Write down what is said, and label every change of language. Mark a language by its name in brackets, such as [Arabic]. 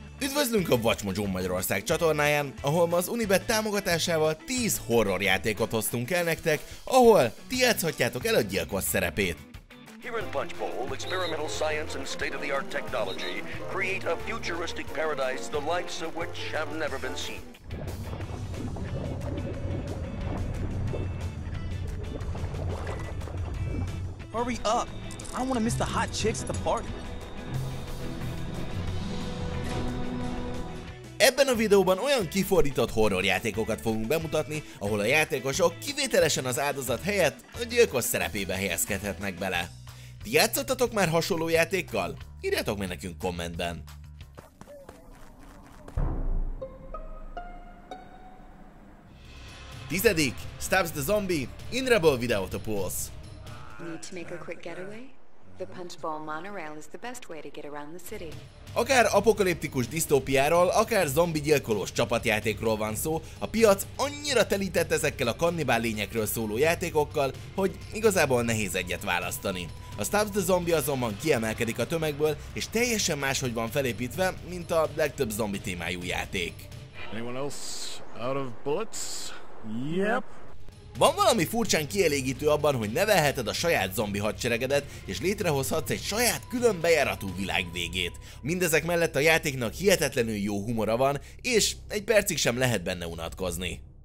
[Hungarian] Üdvözlünk a Vacsmozsó Magyarország csatornáján, ahol ma az Unibet támogatásával 10 horror játékot hoztunk el nektek, ahol ti játszhatjátok el a gyilkos szerepét. [English] Here in Punch Bowl, experimental science and state-of-the-art technology create a futuristic paradise the likes of which have never been seen. Hurry up! I don't want to miss the hot chicks at the party. [Hungarian] Ebben a videóban olyan kifordított horrorjátékokat fogunk bemutatni, ahol a játékosok kivételesen az áldozat helyett a gyilkos szerepébe helyezkedhetnek bele. Ti játszottatok már hasonló játékkal? Írjátok meg nekünk kommentben! Tizedik, Stabs the Zombie, Inrebel Without a Pulse. [English] Need to make a quick getaway? The Punchbowl monorail is the best way to get around the city. [Hungarian] Akár apokaliptikus disztópiáról, akár zombi gyilkolós csapatjátékról van szó, a piac annyira telített ezekkel a kannibál lényekről szóló játékokkal, hogy igazából nehéz egyet választani. A Stabs the Zombie azonban kiemelkedik a tömegből, és teljesen máshogy van felépítve, mint a legtöbb zombi témájú játék. [English] Anyone else out of bullets? Yep. [Hungarian] Van valami furcsán kielégítő abban, hogy nevelheted a saját zombi hadseregedet, és létrehozhatsz egy saját külön bejáratú világ végét. Mindezek mellett a játéknak hihetetlenül jó humora van, és egy percig sem lehet benne unatkozni.